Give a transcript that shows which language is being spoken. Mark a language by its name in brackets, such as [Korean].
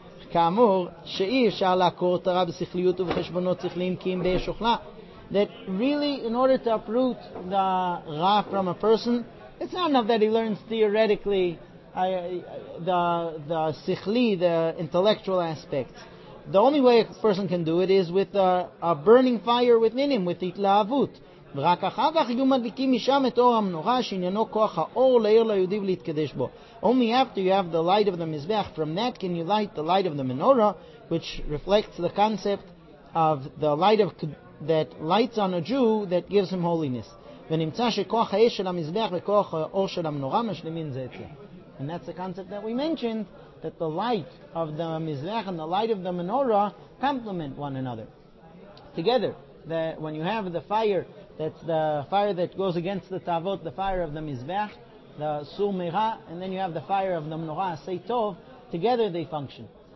[Hebrew] כאמור, שאי אפשר לעקור תרה בשכליות ובחשבונות שכליים כי אם באש אוכלה. [English] That really, in order to uproot the ra from a person, it's not enough that he learns theoretically the sikhli, the intellectual aspects. The only way a person can do it is with a burning fire within him, with itlaavut. [Hebrew] ורק אחר כך יהיו מדליקים משם את אור המנורה שעניינו כוח האור לעיר ליהודי ולהתקדש בו. [English] Only after you have the light of the Mizbeach, from that can you light the light of the menorah, which reflects the concept of the light of that lights on a Jew that gives him holiness. [Hebrew] ונמצא שכוח האש של המזבח וכוח האור של המנורה משלימים זה את זה. [English] And that's the concept that we mentioned, that the light of the Mizbeach and the light of the menorah complement one another. Together, that when you have the fire, that's the fire that goes against the tavot, the fire of the Mizbeach, the sur merah, and then you have the fire of the menorah, say tov, together they function.